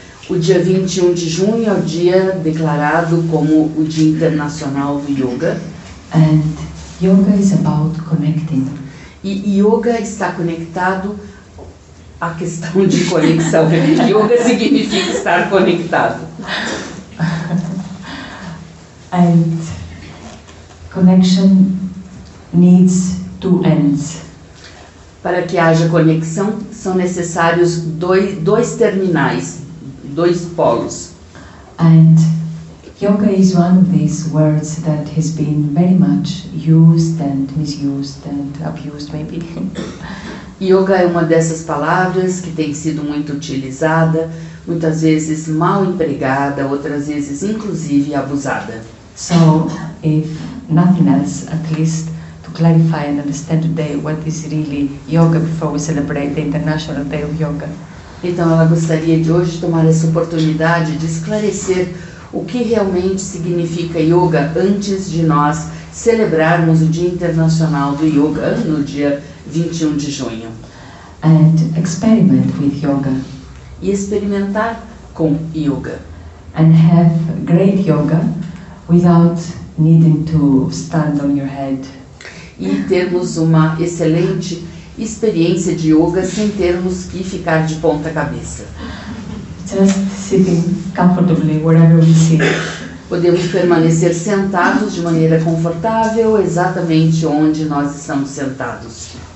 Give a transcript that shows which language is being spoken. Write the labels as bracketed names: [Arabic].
[Portuguese] O dia 21 de junho é o dia declarado como o Dia Internacional do Yoga. [English] And yoga is about connecting. [Portuguese] E yoga está conectado à questão de conexão. Yoga significa estar conectado. [English] And connection needs two ends. [Portuguese] Para que haja conexão, são necessários dois terminais, dois polos. [English] And yoga is one of these words that has been very much used and misused and abused, maybe. [Portuguese] Yoga é uma dessas palavras que tem sido muito utilizada, muitas vezes mal empregada, outras vezes inclusive abusada. [English] So, if nothing else, at least to clarify and understand today what is really yoga before we celebrate the International Day of Yoga. [Portuguese] Então, ela gostaria de hoje tomar essa oportunidade de esclarecer o que realmente significa yoga antes de nós celebrarmos o Dia Internacional do Yoga no dia 21 de junho. [English] And experiment with yoga. [Portuguese] E experimentar com yoga. [English] And have great yoga without needing to stand on your head. [Portuguese] E termos uma excelente experiência de yoga sem termos que ficar de ponta cabeça. [English] Just sitting comfortably wherever we sit. [Portuguese] Podemos permanecer sentados de maneira confortável exatamente onde nós estamos sentados.